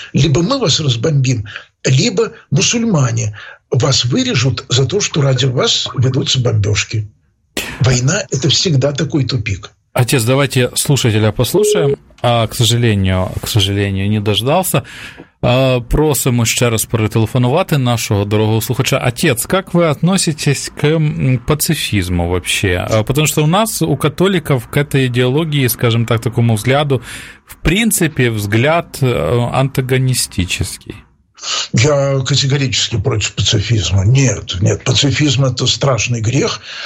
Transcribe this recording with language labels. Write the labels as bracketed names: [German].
[Russian] Либо мы вас разбомбим, либо мусульмане вас вырежут за то, что ради вас ведутся бомбежки. Война – это всегда такой тупик. Отец, давайте слушателя послушаем. К сожалению, не дождался. [Ukrainian] Просимо ще раз перетелефонувати нашого дорогого слухача. [Russian] Отец, как ви относитесь к пацифізму вообще? Потому что у нас, у католиков, к этой идеологии, скажем так, такому взгляду, в принципе, взгляд антагонистический. Я категорически против пацифизма. Нет, пацифизм – это страшный грех.